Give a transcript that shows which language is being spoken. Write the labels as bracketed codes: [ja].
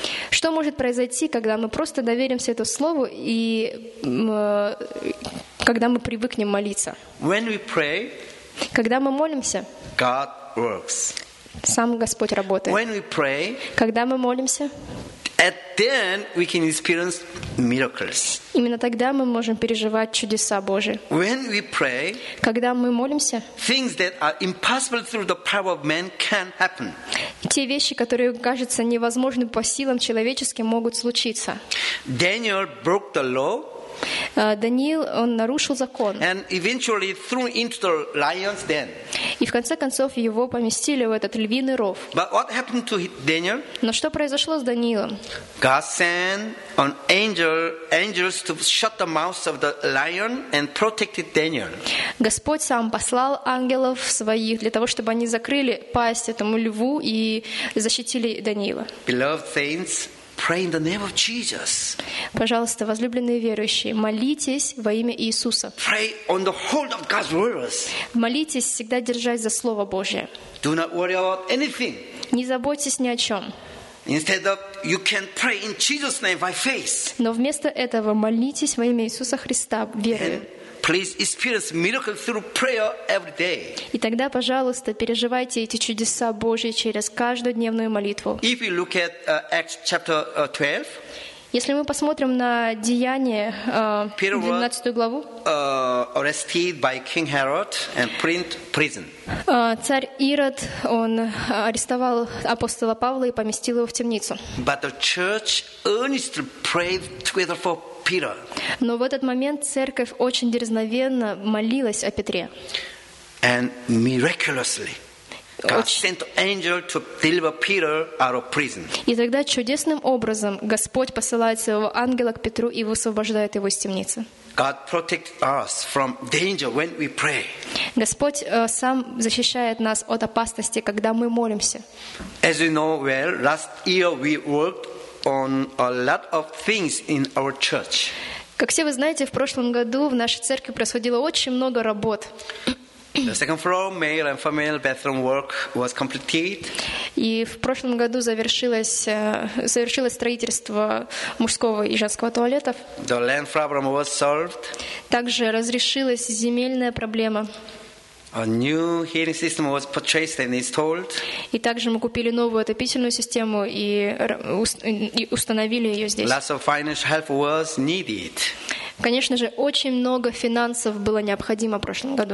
[ru] Что может произойти, когда мы просто доверимся этому слову и когда мы привыкнем молиться? [en] When we pray, [ru] когда мы молимся, [en] God works. [ru] Сам Господь работает. [en] When we pray, [ru] когда мы молимся, [en] at then we can experience miracles. [ru] Именно тогда мы можем переживать чудеса Божьи. [en] When we pray, [ru] когда мы молимся, [en] things that are impossible through the power of man can happen. [ru] Те вещи, которые кажутся невозможными по силам человеческим, могут случиться. [en] Daniel broke the law. [ru] Даниил, он нарушил закон. [en] And eventually threw into the lion's den. [ru] И в конце концов его поместили в этот львиный ров. [en] But what happened to Daniel? [ru] Но что произошло с Даниилом? [en] God sent an angels to shut the mouth of the lion and protected Daniel. [ru] Господь сам послал ангелов своих для того, чтобы они закрыли пасть этому льву и защитили Даниила. [en] Beloved saints, pray in the name of Jesus. [ru] Пожалуйста, возлюбленные верующие, молитесь во имя Иисуса. [en] Pray on the hold of God's words. [ru] Молитесь, всегда держась за Слово Божие. [en] Do not worry about anything. [ru] Не заботьтесь ни о чем. [en] Instead of you can pray in Jesus' name by faith. [ru] Но вместо этого молитесь во имя Иисуса Христа верою. [en] Please experience miracles through prayer every day. [ru] И тогда, пожалуйста, переживайте эти чудеса Божьи через каждодневную молитву. [en] If you look at Acts chapter 12. [ru] Если мы посмотрим на Деяния 12 главу. [en] Arrested by King Herod and put in prison. [ru] Царь Ирод, он арестовал апостола Павла и поместил его в темницу. [en] But the church earnestly prayed together for Peter. [ru] Но в этот момент церковь очень дерзновенно молилась о Петре. [en] And miraculously, God sent an angel to deliver Peter out of prison. [ru] И тогда чудесным образом Господь посылает своего ангела к Петру и высвобождает его из темницы. [en] God protects us from danger when we pray. [ru] Господь сам защищает нас от опасности, когда мы молимся. [en] As you know well, last year we worked on a lot of things in our church. [ru] Как все вы знаете, в прошлом году в нашей церкви происходило очень много работ. [en] The second floor male and female bathroom work was completed. [ru] И в прошлом году завершилось строительство мужского и женского туалетов. [en] The land problem was solved. [ru] Также разрешилась земельная проблема. [en] A new heating system was purchased and installed. [ru] И также мы купили новую отопительную систему и установили ее здесь. [en] Lots of financial help was needed. [ru] Конечно же, очень много финансов было необходимо в прошлом году.